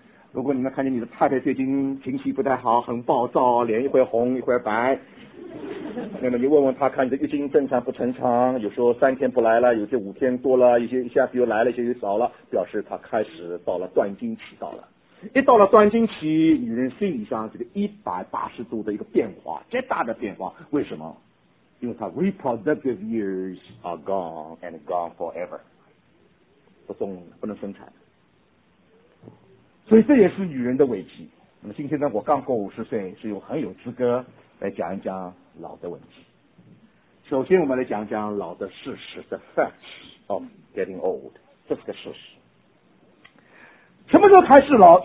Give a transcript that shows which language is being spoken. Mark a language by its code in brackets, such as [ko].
[zh] 如果你们看见你的太太最近情绪不太好，很暴躁，脸一会红一会白，那么你问问她，看你的月经正常不正常，有时候3天不来了，有些5天多了，有些一下子又来了，有些又少了，表示她开始到了断经期。到了一到了断经期，女人心理上这个180度的一个变化，最大的变化。为什么？因为她 [en] reproductive years are gone and gone forever， [zh] 不能生产。所以这也是女人的危机。那么今天呢，我刚过50岁，是有很有资格来讲一讲老的问题。首先我们来讲一讲老的事实 ， [en] the facts of getting old， [zh] 这是个事实。什么时候开始老？